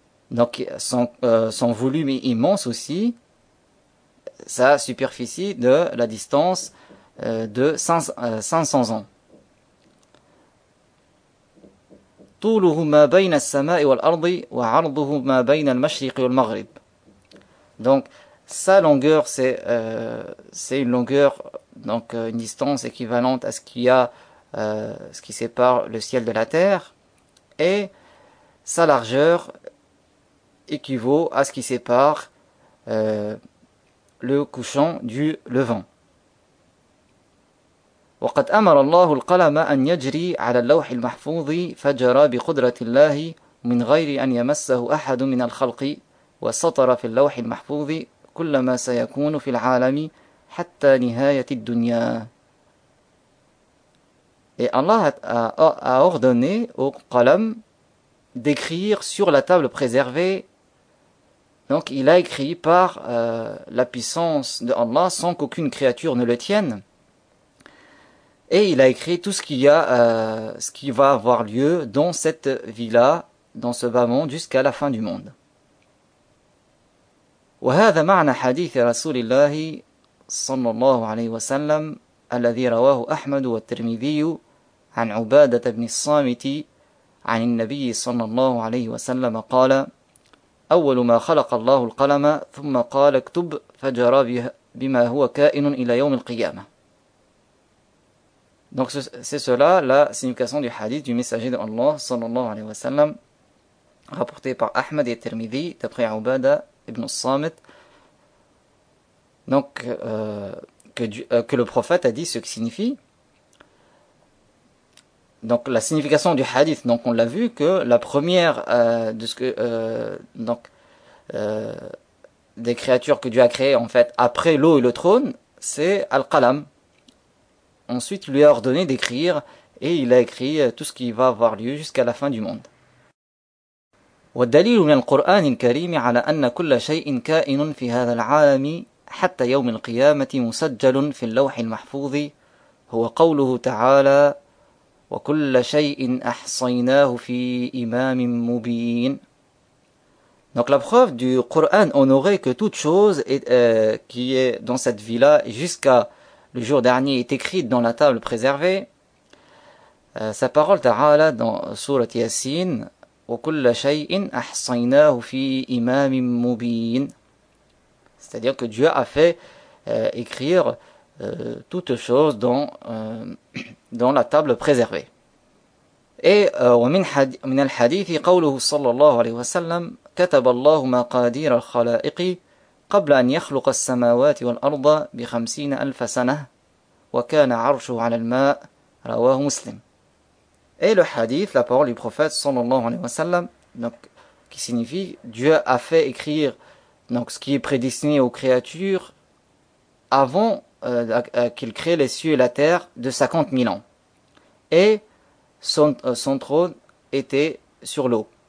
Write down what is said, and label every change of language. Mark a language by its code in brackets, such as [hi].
[fr] Donc son volume est immense aussi, sa superficie de la distance de 500 ans. [ar] طوله ما بين السماء والأرض وعرضه ما بين المشرق والمغرب. [fr] Donc sa longueur c'est une longueur, donc une distance équivalente à ce qu'il y a ce qui sépare le ciel de la terre, et sa largeur équivaut à ce qui sépare le couchant du levant. [ar] وقد أمر الله القلم أن يجري على اللوح المحفوظ فجرى بقدرة الله من غير أن يمسه أحد من الخلق وسطر في اللوح المحفوظ كل ما سيكون في العالم حتى نهاية الدنيا. [fr] Et Allah a ordonné au qalam d'écrire sur la table préservée. Donc il a écrit par la puissance de Allah sans qu'aucune créature ne le tienne. Et il a écrit tout ce qu'il y a, ce qui va avoir lieu dans cette vie-là, dans ce bas monde, jusqu'à la fin du monde. [ar] وهذا معنى حديث رسول الله صلى الله عليه وسلم الذي رواه أحمد والترمذي عن عبادة بن الصامت عن النبي صلى الله عليه وسلم قال أول ما خلق الله القلم ثم قال اكتب فجرى بما هو كائن إلى يوم القيامة. [fr] Donc c'est cela la signification du hadith du messager d'Allah, sallallahu alayhi wa sallam, rapporté par Ahmad et Tirmidhi, d'après Ubada ibn Samit. Donc, que le prophète a dit ce qui signifie. Donc la signification du hadith, donc on l'a vu, que la première de ce que des créatures que Dieu a créées, en fait, après l'eau et le trône, c'est Al-Qalam. Ensuite, il lui a ordonné d'écrire, et il a écrit tout ce qui va avoir lieu jusqu'à la fin du monde. [ar] والدليل من القرآن الكريم على أن كل شيء كائن في هذا العالم حتى يوم القيامة مسجل في اللوح المحفوظ هو قوله تعالى وكل شيء أحصيناه في إمام مبين. [fr] Donc la preuve du Coran honoré que toute chose qui est dans cette vie-là jusqu'à le jour dernier est écrite dans la table préservée. Sa parole Ta'ala dans Sourate Yassin, [ar] wa kulla shay'in ahsaynahu fi imamin mubin. [fr] C'est-à-dire que Dieu a fait écrire toute chose dans la table préservée. [ar] Et wa min al-hadith qawluhu sallallahu alayhi wa sallam kataba Allahu maqadir al-khala'iqi قبل أن يخلق السماوات والأرض بخمسين ألف سنة وكان عرشه على الماء رواه مسلم. [fr] Et le hadith, la parole du prophète sallallahu alayhi wa sallam, donc, qui signifie Dieu a fait écrire donc ce qui est prédestiné aux créatures avant qu'il crée les cieux et la terre de 50 000 ans. Et son trône était sur l'eau.